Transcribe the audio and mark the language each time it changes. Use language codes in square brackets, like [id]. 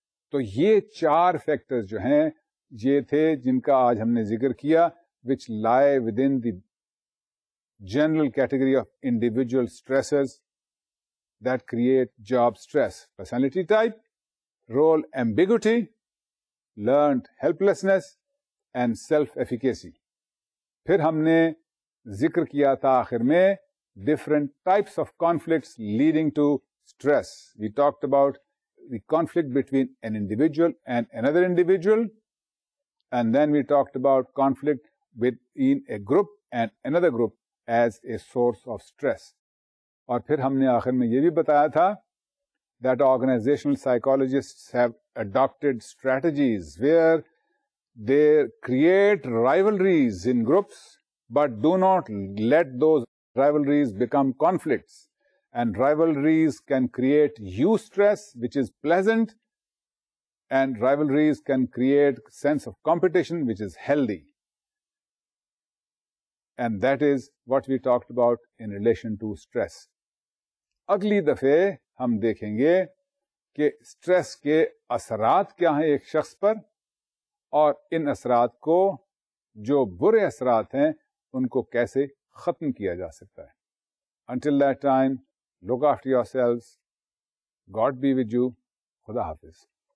[ur] تو یہ چار فیکٹرز جو ہیں یہ تھے جن کا آج ہم نے ذکر کیا, [en] Which lie within the general category of individual stressors that create job stress. Personality type, role ambiguity, learned helplessness, and self efficacy. [ur] پھر ہم نے ذکر کیا تھا آخر میں [en] Different types of conflicts leading to stress. We talked about the conflict between an individual and another individual, and then we talked about conflict within a group and another group as a source of stress. [ur] Aur phir humne aakhir mein ye bhi bataya tha [en] that organizational psychologists have adopted strategies where they create rivalries in groups but do not let those rivalries become conflicts. And rivalries can create you stress, which is pleasant, and rivalries can create sense of competition, which is healthy. And that is what we talked about in relation to stress. [ur] اگلی دفعے ہم دیکھیں گے کہ stress کے اثرات کیا ہیں ایک شخص پر اور ان اثرات کو جو برے اثرات ہیں ان کو کیسے ختم کیا جا سکتا ہے. [en] Until that time, look after yourselves. God be with you. [ur] خدا حافظ.